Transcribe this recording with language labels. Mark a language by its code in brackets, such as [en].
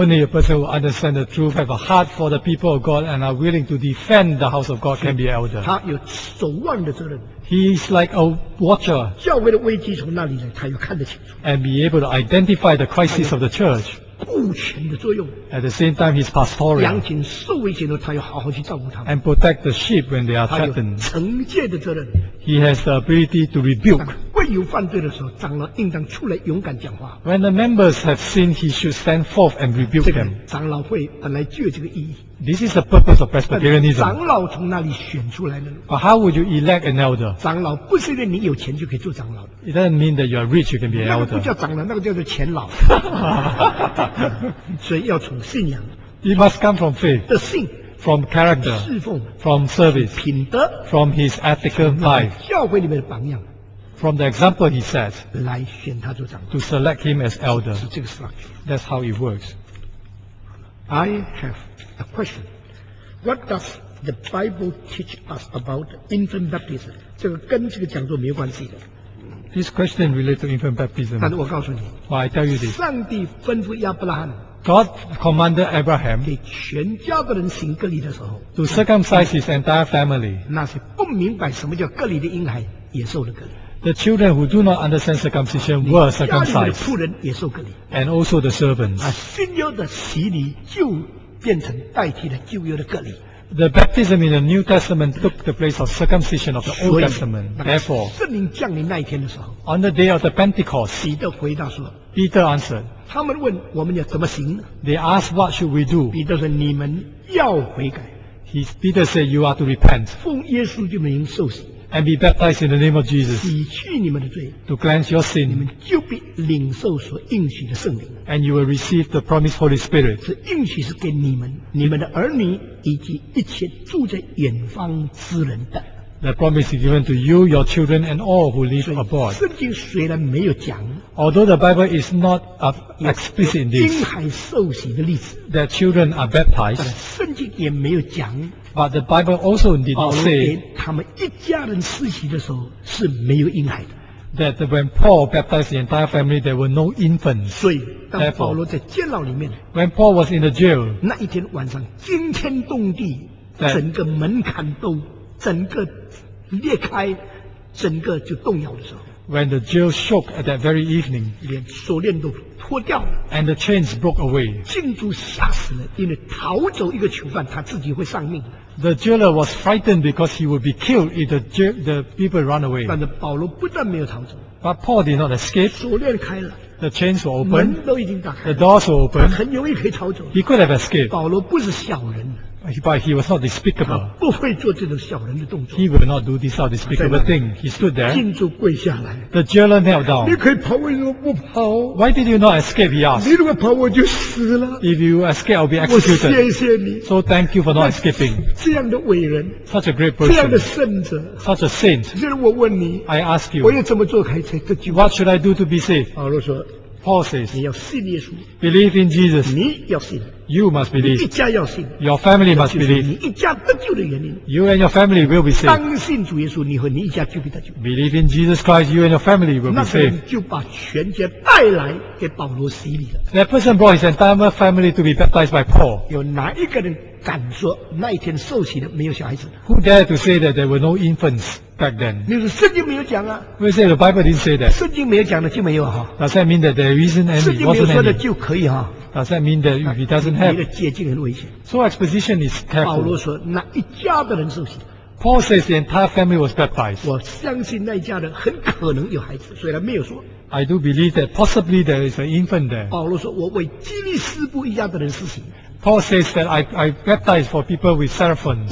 [en] Only a person who understands the truth, have a heart for the people of God and are willing to defend the house of God can be elder. [zh] 他有守望的责任。 [en] He is like a watcher. [zh] 教会的危机从那里来，他又看得清楚。 [en] And be able to identify the crisis of the church. [zh] 顾全的作用。 [en] At the same time, he's pastoral. [zh] 羊群受危险的时候，他又好好去照顾他们。 [en] And protect the sheep when they are threatened. [zh] 他有惩戒的责任。 [en] He has the ability to rebuke. [zh] 会有犯罪的时候，长老应当出来勇敢讲话。 [en] When the members have sinned, he should stand forth and rebuke them. [zh] 这个长老会本来就有这个意义。 [en] This is the purpose of Presbyterianism. [zh] 长老从哪里选出来的呢？ [en] But how would you elect an elder? [zh] 长老不是因为你有钱就可以做长老的。 [en] It doesn't mean that you are rich, you can be an elder. [zh] 那个不叫长老，那个叫做钱老。所以要从信仰。 [en] You must come from faith. [zh] 的信。 [en] From character. [zh] 侍奉。 [en] From service. [zh] 品德。 [en] From his ethical life. [zh] 教会里面的榜样。 [en] From the example he says, [zh] 来选他做长老, [en] to select him as elder. [zh] 是这个 structure. [en] That's how it works. I have a question. What does the Bible teach us about infant baptism? [zh] 这个跟这个讲座没有关系的。 [en] This question relates to infant baptism. [zh] 但是我告诉你, [en] well, I tell you this. [zh] 上帝吩咐亚伯拉罕, [en] God commanded Abraham [zh] 给全家的人行割礼的时候, [en] to circumcise his entire family. [zh] 那是不明白什么叫割礼的婴孩也受了割礼。 [en] The children who do not understand circumcision were circumcised. [zh] 仆人也受割礼。 [en] And also the servants. [zh] 啊，新约的洗礼就变成代替了旧约的割礼。 [en] The baptism in the New Testament took the place of circumcision of the Old Testament. Therefore, [zh] 圣灵降临那一天的时候 [en] ，On the day of the Pentecost, [zh] 彼得回答说 [en] ，Peter answered. [zh] 他们问我们要怎么行呢 [en] ？They asked, "What should we do?" [zh] 彼得说，你们要悔改。 [en] He, Peter said, "You are to repent." [zh] 奉耶稣基督名受洗。 [en] And be baptized in the name of Jesus. [zh] 洗去你们的罪, [en] to cleanse your sin. [zh] 你们就必领受所应许的圣灵。 [en] And you will receive the promised Holy Spirit. [zh] 这应许是给你们, 你们的儿女, 以及一切住在远方之人的。 [en] The promise is given to you, your children, and all who live abroad. [zh] 圣经虽然没有讲, [en] although the Bible is not explicit in this, [zh] 婴孩受洗的例子, [en] that children are baptized, [zh] 但圣经也没有讲, [en] but the Bible also did not say, 给 [zh] 他们一家人施洗的时候是没有婴孩的, [en] that when Paul baptized the entire family, there were no infants. [zh] 所以当保罗在监牢里面, [en] when Paul was in the jail, [zh] 那一天晚上惊天动地, 整个门槛都整个裂开，整个就动摇的时候。 [en] When the jail shook at that very evening, [zh] 连锁链都脱掉了。 [en] And the chains broke away. [zh] 禁足吓死了，因为逃走一个囚犯，他自己会丧命。 [en] The jailer was frightened because he would be killed if the people run away. [zh] 但是保罗不但没有逃走。 [en] But Paul did not escape. [zh] 锁链开了。 [en] The chains were open. [zh] 门都已经打开了。 [en] The doors were open. [zh] 他很容易可以逃走。 [en] He could have escaped. [zh] 保罗不是小人。 [en] But he was not despicable. [zh] 不会做这种小人的动作。 [en] He will not do this sort of despicable thing. He stood there. [zh] 禁足跪下来。 [en] The jailer knelt down. [zh] 你可以跑，为什么不跑？ [en] Why did you not escape? He asked. [zh] 你如果跑，我就死了。 [en] If you escape, I'll be executed. [zh] 我谢谢你。 [en] So thank you for not escaping. [zh] 这样的伟人。 [en] Such a great person. [zh] 这样的圣者。 [en] Such a saint. [zh] 这是我问你。 [en] I ask you. [zh] 我要怎么做才得救？ [en] What should I do to be saved? [zh] 保罗说。 [en] Paul says, [zh] 你要信耶稣, [en] believe in Jesus. [zh] 你要信, [en] you must believe. [zh] 你一家要信, [en] your family must believe. [zh] 你一家得救的原因, [en] you and your family will be saved. [zh] 当信主耶稣, 你和你一家就必得救。 [en] Believe in Jesus Christ, you and your family will be saved. [zh] 那个人就把全家带来给保罗洗礼了。 [en] That person brought his entire family to be baptized by Paul. [zh] 有哪一个人敢说那一天受洗的没有小孩子呢？ [en] Who dared to say that there were no infants? Back then, [zh] 你说圣经没有讲啊？ [en] We say the Bible didn't say that. [zh] 圣经没有讲的就没有哈。 [en] Does that mean that there isn't any? [zh] 圣经没有说的就可以哈。 [en] Does that mean that if it doesn't have? [zh] 你的解经很危险。 [en] So exposition is careful. [zh] 保罗说那一家的人受洗。 [en] Paul says the entire family was baptized. [zh] 我相信那家人很可能有孩子，虽然没有说。 [en] I do believe that possibly there is an infant there. [zh] 保罗说，我为基利斯布一家的人施洗。 [en] Paul says that I baptize for people with seraphims.